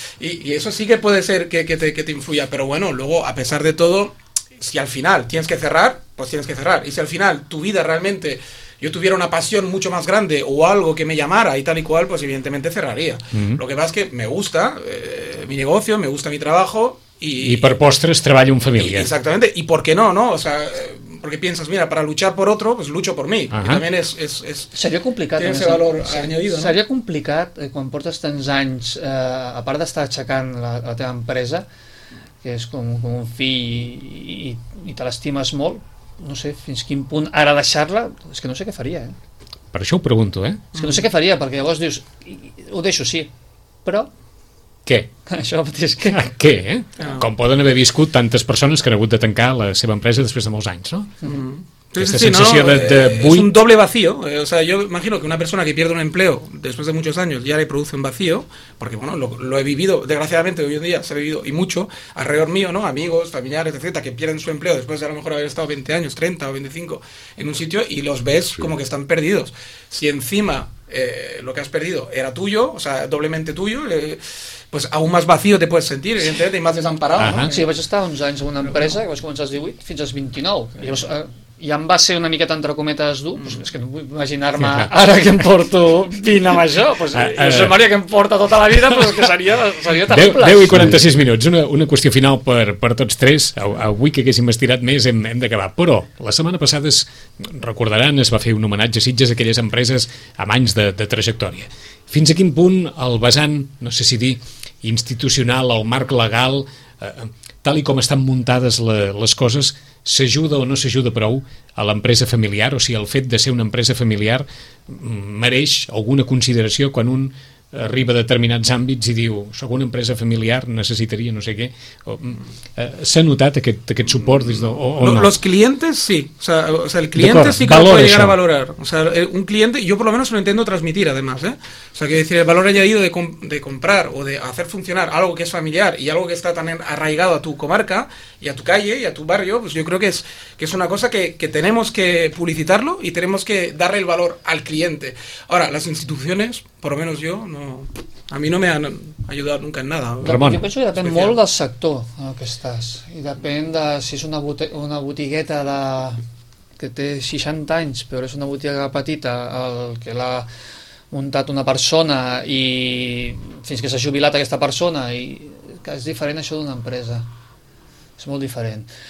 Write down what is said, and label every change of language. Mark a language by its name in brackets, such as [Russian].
[Spanish] Y eso sí que puede ser que te influya, pero bueno, luego, a pesar de todo, si al final tienes que cerrar, pues tienes que cerrar. Y si al final tu vida realmente, yo tuviera una pasión mucho más grande o algo que me llamara y tal y cual, pues evidentemente cerraría. Mm-hmm. Lo que pasa es que me gusta mi negocio, me gusta mi trabajo. [Catalan] I per postres treballo en família. Exactament. I per què no, no? O sea, perquè penses, mira, [Spanish] per luchar per otro, pues lucho [Catalan] per mi. Uh-huh. També és seria complicat, tenir [Spanish] ese valor añadido, no? [Catalan] Seria complicat quan portes tants anys, a part d'estar aixecant la teva empresa, que és com un fill i te l'estimes molt, no sé fins quin punt ara deixar-la, és que no sé què faria, Per això ho pregunto, eh? És que no sé què faria, perquè llavors dius, ho deixo, sí, però... Què? Això mateix, què? Què, eh? Com poden haver viscut tantes persones que han hagut de tancar la seva empresa després de molts anys, no? Mm-hmm. Aquesta sensació de buit... És un doble [Spanish] vacío. O sea, yo imagino que una persona que pierde un empleo después de muchos años ya le produce un vacío, porque, bueno, lo he vivido, desgraciadamente, hoy en día se ha vivido, y mucho, alrededor mío, ¿no? Amigos, familiares, etcétera, que pierden su empleo después de a lo mejor haber estado 20 años, 30 o 25 en un sitio y los ves como que están perdidos. Si encima... lo que has perdido era tuyo, o sea, doblemente tuyo, pues aún más vacío te puedes sentir, evidentemente, y más desamparado, uh-huh. ¿No? [Catalan] Sí, vaig estar uns anys en una empresa, que vaig començar als 18, fins als 29, sí. Llavors, i em va ser una miqueta entre cometes dur, pues, és que no vull imaginar-me ara que em porto 20 amb això, pues, Josep Maria que em porta tota la vida, pues, que seria terrible. 10 i 46 minuts, una qüestió final per tots tres, avui que haguéssim estirat més hem d'acabar, però la setmana passada, recordaran, es va fer un homenatge a Sitges, a aquelles empreses amb anys de trajectòria. Fins a quin punt el vessant, no sé si dir institucional o marc legal, tal i com estan muntades les coses, s'ajuda o no s'ajuda prou a l'empresa familiar, o si el fet de ser una empresa familiar mereix alguna consideració quan un arriba a determinats àmbits i diu, soc una empresa familiar, necessitaria no sé què. S'ha notat aquest suport des de, o no? [Spanish] Los clientes sí. O sea, el cliente sí que lo puede llegar a valorar. O sea, un cliente, yo por lo menos lo entiendo transmitir además, ¿eh? O sea, quiero decir, el valor añadido de comprar o de hacer funcionar algo que es familiar y algo que está tan arraigado a tu comarca y a tu calle y a tu barrio, pues yo creo que es una cosa que tenemos que publicitarlo y tenemos que darle el valor al cliente. Ahora, las instituciones, por lo menos yo, no, a mi no [Catalan] m'ha ajudat [Spanish] nunca en nada. Ramon, [Catalan] jo penso que depèn especial. Molt del sector en què estàs, i depèn de si és una botigueta que té 60 anys però és una botiga petita el que l'ha muntat una persona i fins que s'ha jubilat aquesta persona, i que és diferent això d'una empresa, és molt diferent.